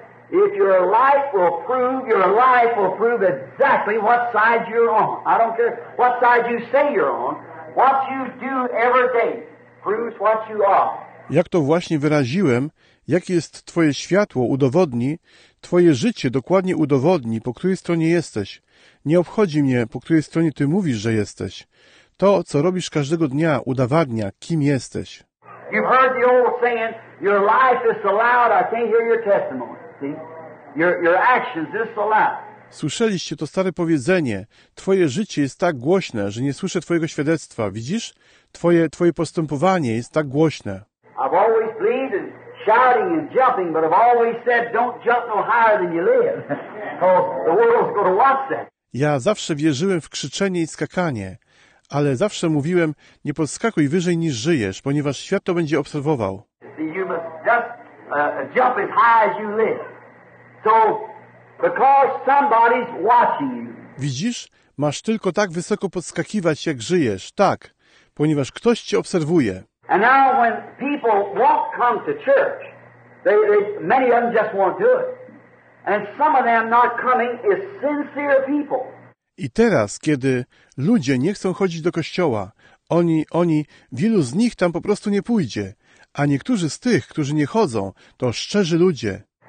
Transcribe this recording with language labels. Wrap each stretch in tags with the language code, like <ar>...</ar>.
<en>If your life will prove, your life will prove exactly what side you're on. I don't care what side you say you're on. What you do every day proves what you are.</en> <pl>Jak to właśnie wyraziłem, jakie jest Twoje światło, udowodni, Twoje życie dokładnie udowodni, po której stronie jesteś. Nie obchodzi mnie, po której stronie Ty mówisz, że jesteś. To, co robisz każdego dnia, udowadnia, kim jesteś.</pl> <en>You've heard the old saying, your life is so loud, I can't hear your testimony. See? Your actions is so loud.</en> <pl>Słyszeliście to stare powiedzenie, Twoje życie jest tak głośne, że nie słyszę Twojego świadectwa, widzisz? Twoje postępowanie jest tak głośne.</pl> <en>I've always believed in shouting and jumping, but I've always said, don't jump no higher than you live. The world's going to watch that.</en> <pl>Ja zawsze wierzyłem w krzyczenie i skakanie, ale zawsze mówiłem, nie podskakuj wyżej niż żyjesz, ponieważ świat to będzie obserwował.</pl> <en>You must just jump as high as you live. So, because somebody's watching you.</en> <pl>Widzisz? Masz tylko tak wysoko podskakiwać, jak żyjesz. Tak, ponieważ ktoś cię obserwuje.</pl> <en>And now when people won't come to church, many of them just won't do it. And some of them not coming is sincere people.</en> <pl>I teraz, kiedy ludzie nie chcą chodzić do kościoła, oni, wielu z nich tam po prostu nie pójdzie. A niektórzy z tych, którzy nie chodzą, to szczerzy ludzie.</pl>